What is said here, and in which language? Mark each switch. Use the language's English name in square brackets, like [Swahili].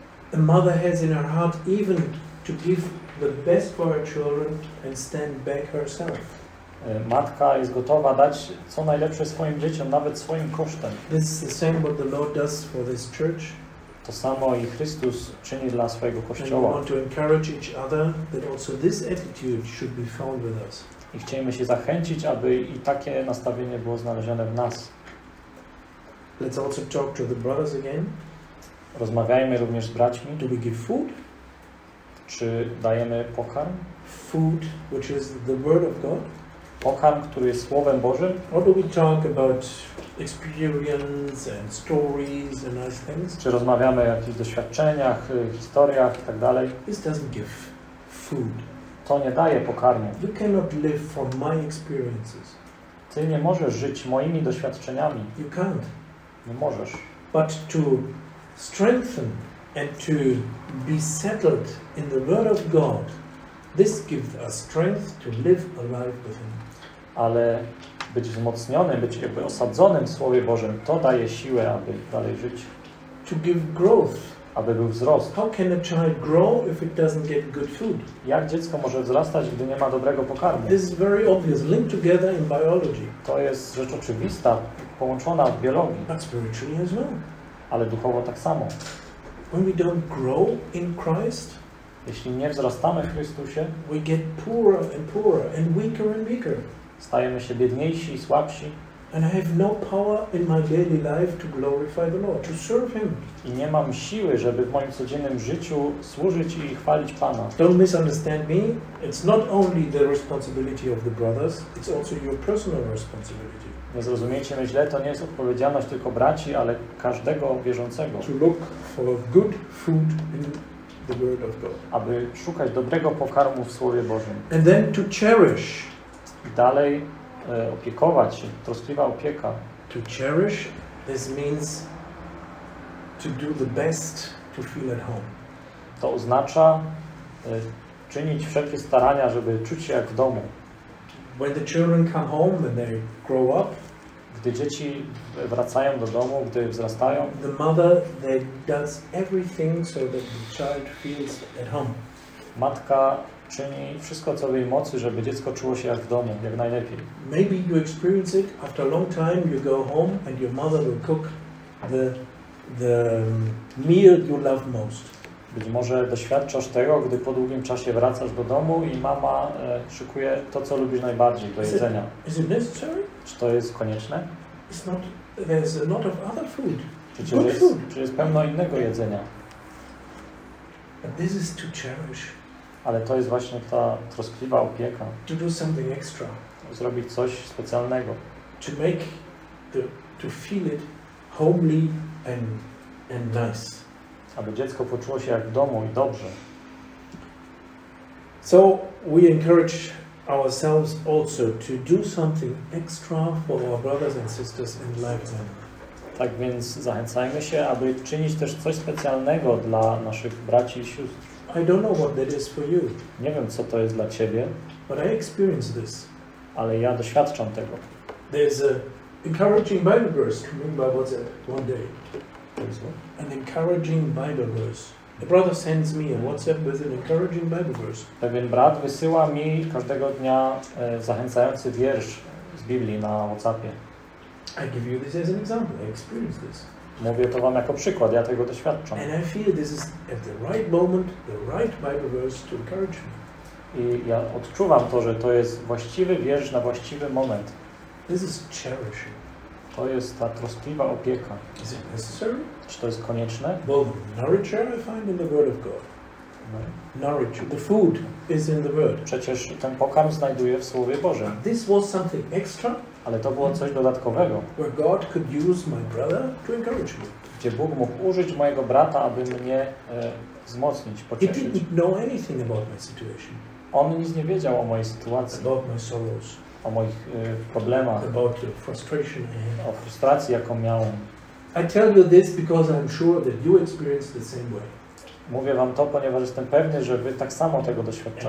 [English] The mother has in her heart even to give the best for her children and stand back herself. [Polish] Matka jest gotowa dać co najlepsze swoim dzieciom, nawet swoim kosztem. [English] This is the same what the Lord does for this church. [Polish] To samo i Chrystus czyni dla swojego Kościoła. [English] And we want to encourage each other that also this attitude should be found with us. [Polish] I chcemy się zachęcić, aby i takie nastawienie było znalezione w nas. [English] Let's also talk to the brothers again. [Polish] Rozmawiajmy również z braćmi. [English] Do we give food? [Polish] Czy dajemy pokarm? [English] Food, which is the word of God. [Polish] Pokarm, który jest Słowem Bożym. [English] Or do we talk about experience and stories and nice things? [Polish] Czy rozmawiamy o jakichś doświadczeniach, historiach i tak dalej? [English] This doesn't give food. [Polish] To nie daje pokarmu. [English] You cannot live from my experiences. [Polish] Ty nie możesz żyć moimi doświadczeniami. [English] You can't. [Polish] Nie możesz. [English] But to strengthen and to be settled in the word of God, this gives us strength to live a life with Him. [Polish] Ale być wzmocnionym, być jakby osadzonym w Słowie Bożym, to daje siłę, aby dalej żyć. [English] To give growth. [Polish] Aby był wzrost. [English] How can a child grow if it doesn't get good food? [Polish] Jak dziecko może wzrastać, gdy nie ma dobrego pokarmu? [English] This is very obvious. Linked together in biology. [Polish] To jest rzecz oczywista, połączona w biologii. [English] But spiritually as well. [Polish] Ale duchowo tak samo. [English] When we don't grow in Christ, [Polish] jeśli nie wzrastamy w Chrystusie, [English] we get poorer and poorer and weaker and weaker. [Polish] Stajemy się biedniejsi i słabsi. [English] And I have no power in my daily life to glorify the Lord, to serve Him. [Polish] I nie mam siły, żeby w moim codziennym życiu służyć i chwalić Pana. [English] Don't misunderstand me. It's not only the responsibility of the brothers, it's also your personal responsibility. [Polish] Nie zrozumiecie mnie źle, to nie jest odpowiedzialność tylko braci, ale każdego wierzącego. [English] To look for good food in the Word of God. [Polish] Aby szukać dobrego pokarmu w Słowie Bożym. [English] And then to cherish. [Polish] I dalej opiekować się, troskliwa opieka. [English] To cherish, this means to do the best to feel at home. [Polish] To oznacza czynić wszelkie starania, żeby czuć się jak w domu. [English] When the children come home, when they grow up, [Polish] gdy dzieci wracają do domu, gdy wzrastają, [English] the mother that does everything so that the child feels at home. [Polish] Matka czyni wszystko, co w jej mocy, żeby dziecko czuło się jak w domu, jak najlepiej. [English] Maybe you experience it after a long time. You go home and your mother will cook the meal you love most. [Polish] Być może doświadczasz tego, gdy po długim czasie wracasz do domu i mama szykuje to, co lubisz najbardziej do jedzenia. [English] Is it necessary? [Polish] Czy to jest konieczne? [English] It's not. There's a lot of other food. [Polish] Czy jest pełno innego jedzenia? [English] But this is to cherish. [Polish] Ale to jest właśnie ta troskliwa opieka. [English] To do something extra. [Polish] Zrobić coś specjalnego. [English] To make the to feel it homely and nice. [Polish] Aby dziecko poczuło się jak w domu i dobrze. [English] So we encourage ourselves also to do something extra for our brothers and sisters in life then. [Polish] Tak więc zachęcajmy się, aby czynić też coś specjalnego dla naszych braci i sióstr. [English] I don't know what that is for you. [Polish] Nie wiem, co to jest dla ciebie. [English] But I experience this. [Polish] Ale ja doświadczam tego. [English] There's an encouraging Bible verse coming by WhatsApp one day. An encouraging Bible verse. A brother sends me a WhatsApp with an encouraging Bible verse. [Polish] Pewien brat wysyła mi każdego dnia zachęcający wiersz z Biblii na WhatsAppie. [English] I give you this as an example. I experience this. [Polish] Mówię to wam jako przykład, ja tego doświadczam. [English] And I feel this is at the right moment, the right Bible verse to encourage me. [Polish] I ja odczuwam to, że to jest właściwy wiersz na właściwy moment. [English] This is cherishing. [Polish] To jest ta troskliwa opieka. [English] Is it necessary? [Polish] Czy to jest konieczne? [English] Well, nourisher I find in the Word of God. Nourish. The food is in the Word. [Polish] Przecież ten pokarm znajduje w Słowie Bożym. [English] This was something extra. [Polish] Ale to było coś dodatkowego. [English] Where God could use my brother to encourage me. [Polish] Gdzie Bóg mógł użyć mojego brata, aby mnie wzmocnić, pocieszyć. [English] He didn't know anything about my situation. [Polish] On nic nie wiedział o mojej sytuacji. [English] About my sorrows. [Polish] O moich problemach. [English] About the frustration I had. [Polish] O frustracji, jaką miałem. [English] I tell you this because I'm sure that you experience the same way. [Polish] Mówię wam to, ponieważ jestem pewny, że wy tak samo tego doświadczacie.